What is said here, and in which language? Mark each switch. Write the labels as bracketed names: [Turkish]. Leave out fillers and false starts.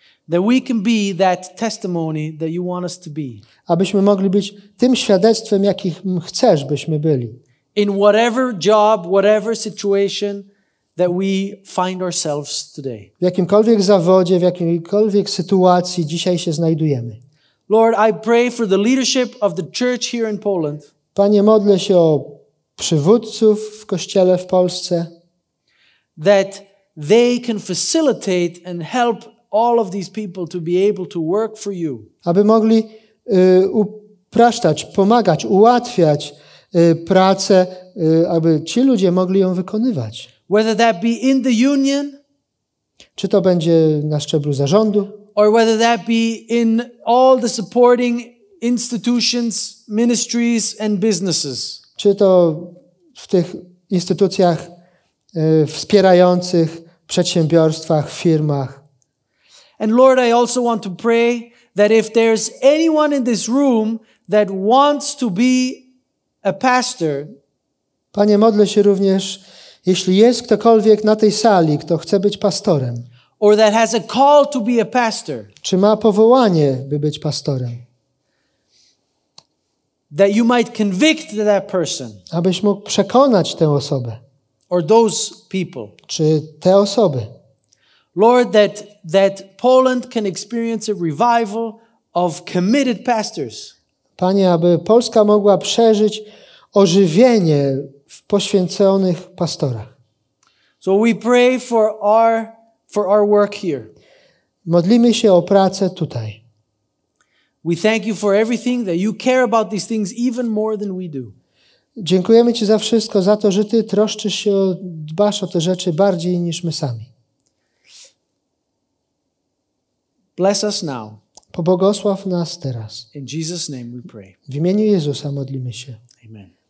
[English] That we can be that testimony that you want us to be. [Polish] Abyśmy mogli być tym świadectwem, jakim chcesz, byśmy byli. [English] In whatever job, whatever situation that we find ourselves today. [Polish] W jakimkolwiek zawodzie, w jakiejkolwiek sytuacji dzisiaj się znajdujemy. [English] Lord, I pray for the leadership of the church here in Poland. [Polish] Panie, modlę się o przywódców w kościele w Polsce. [English] That they can facilitate and help all of these people to be able to work for you. [Polish] Aby mogli upraszczać, pomagać, ułatwiać pracę, aby ci ludzie mogli ją wykonywać. [English] Whether that be in the union, [Polish] czy to będzie na szczeblu zarządu, [English] or whether that be in all the supporting institutions, ministries and businesses. [Polish] Czy to w tych instytucjach wspierających, przedsiębiorstwach, firmach. [English] And Lord, I also want to pray that if there's anyone in this room that wants to be a pastor. [Polish] Panie, modlę się również, jeśli jest ktokolwiek na tej sali, kto chce być pastorem. [English] Or that has a call to be a pastor. [Polish] Czy ma powołanie, by być pastorem? [English] That you might convict that person. [Polish] Abyś mógł przekonać tę osobę. [English] Or those people. [Polish] Czy te osoby? [English] Lord, that Poland can experience a revival of committed pastors. [Polish] Panie, aby Polska mogła przeżyć ożywienie w poświęconych pastorach. [English] So we pray for our work here. [Polish] Modlimy się o pracę tutaj. [English] We thank you for everything that you care about these things even more than we do. [Polish] Dziękujemy Ci za wszystko, za to, że Ty troszczysz się, dbasz o te rzeczy bardziej niż my sami. [English] Bless us now. [Polish] Pobłogosław nas teraz. [English] In Jesus' name we pray. [Polish] W imieniu Jezusa modlimy się. Amen.